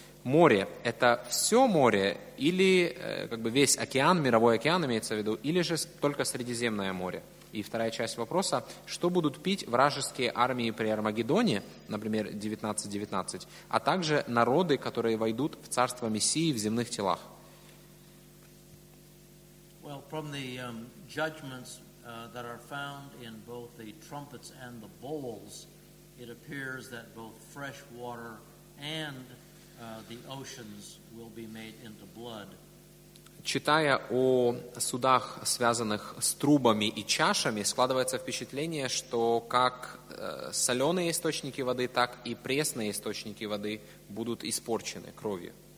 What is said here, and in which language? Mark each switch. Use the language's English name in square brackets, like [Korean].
[Russian] Море – это все море или как бы весь океан, мировой океан имеется в виду, или же только Средиземное море? И вторая часть вопроса: что будут пить вражеские армии при Армагеддоне, например, 19:19, а также народы, которые войдут в царство Мессии в земных телах? [English] Well, from the judgments that are found in both the trumpets and the bowls, it appears that both fresh water and the oceans will be made into blood. [Russian] Читая о судах, связанных с трубами и чашами, складывается впечатление, что как соленые источники воды, так и пресные источники воды будут испорчены кровью.